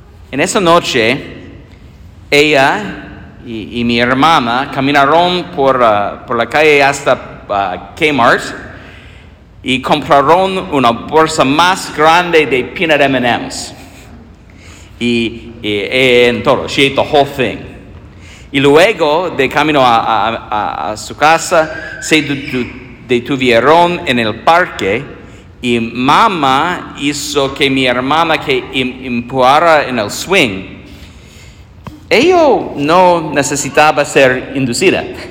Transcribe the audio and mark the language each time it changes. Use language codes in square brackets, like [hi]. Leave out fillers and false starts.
[es] En esa noche, ella y mi hermana caminaron por la calle hasta Kmart, y compraron una bolsa más grande de peanut M&M's. Y en todo, [en] she ate the whole thing. [es] Y luego, de camino a su casa, se detuvieron en el parque, y mamá hizo que mi hermana que empujara en el swing. Ella no necesitaba ser inducida.